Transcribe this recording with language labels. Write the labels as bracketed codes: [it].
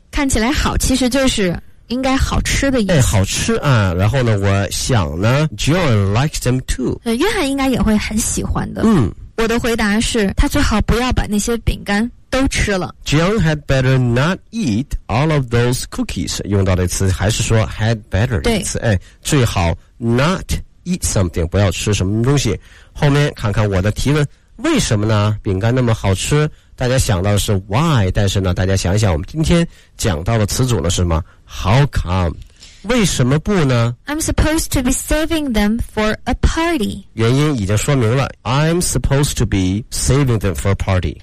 [zh] 看起来好，其实就是应该好吃的意思。哎，好吃啊。然后呢，我想呢 [en] John likes them too。 [zh] 约翰应该也会很喜欢的。嗯，我的回答是他最好不要把那些饼干都吃了。 [en] John had better not eat all of those cookies， [zh] 用到的词还是说 had better 的词。哎，最好 [en] not eat something， [zh] 不要吃什么东西。后面看看我的提问，为什么呢？饼干那么好吃，大家想到的是 why， 但是呢，大家想一想我们今天讲到的词组呢是什么？ [en] How come， [zh] 为什么不呢？ [en] I'm supposed to be saving them for a party。 [zh] 原因已经说明了， [en] I'm supposed to be saving them for a party。